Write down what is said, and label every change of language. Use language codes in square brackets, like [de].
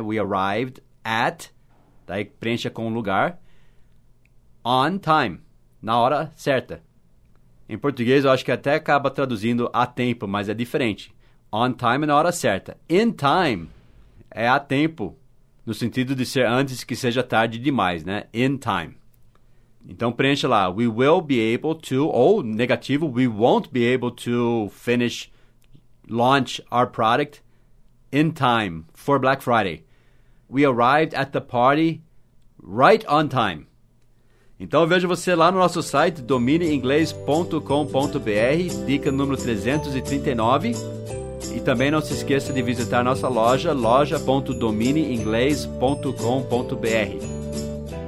[en] We arrived at, [pt] daí preencha com um lugar, [en] on time, [pt] na hora certa. Em português, eu acho que até acaba traduzindo a tempo, mas é diferente. [en] On time [pt] é na hora certa. In time é a tempo, no sentido de ser antes que seja tarde demais, né? In time. Então, preencha lá. [en] We will be able to, [pt] ou negativo, [en] we won't be able to finish launch our product in time for Black Friday. We arrived at the party right on time. [pt] Então vejo você lá no nosso site domineinglês.com.br, dica número 339. E também não se esqueça de visitar nossa loja, loja.domineinglês.com.br.